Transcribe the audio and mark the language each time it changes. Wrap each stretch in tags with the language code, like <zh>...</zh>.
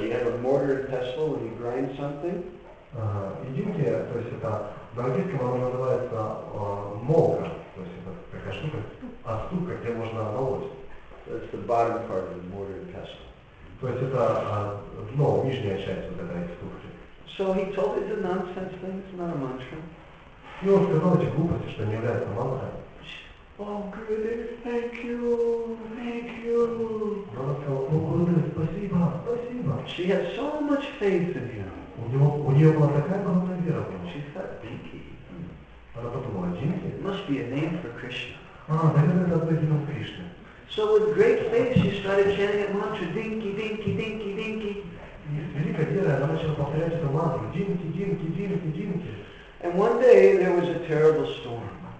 <en>You have a mortar and pestle when you grind something.</en> <ru>Единки, то есть это на английском оно называется молка, то есть это такая штука, а штука, где можно молоть.</ru> <en>It's the bottom part of the mortar and pestle.</en> <ru>То есть это дно, нижняя часть вот этой штуки.</ru> <en>So he told it's a nonsense thing, it's not a mantra.</en> <ru>И он сказал эти глупости, что не является мантрой.</ru> <en>Oh, Gurudev, thank you.</en> <ru>Она сказала, о, Гурудев, спасибо.</ru> <en>She had so much faith in him.</en> <ru>У нее была такая огромная вера в него.</ru> <en>She thought, Dinky.</en> <ru>Она подумала, Dinky?</ru> <en>It must be a name for Krishna.</en> <ru>А, наверное, это одно из имен Кришны.</ru> <en>So with great faith she started chanting that mantra, Dinky, Dinky, Dinky, Dinky.</en> <ru>И с великой верой она начала повторять эту мантру, Dinky, Dinky, Dinky, Dinky.</ru> <en>And one day there was a terrible storm.</en>